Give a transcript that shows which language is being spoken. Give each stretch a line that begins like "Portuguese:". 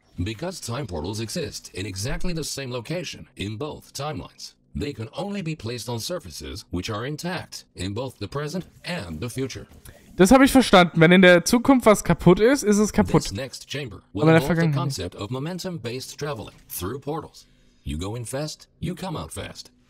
English: Because time portals exist in exactly the same location in both timelines, they can only be placed on surfaces which are intact in both the present and the future.
German: Das habe ich verstanden. Wenn in der Zukunft was kaputt ist, ist es kaputt.
English: This next chamber will involve the concept of momentum-based traveling through portals. You go in fast, you come out fast.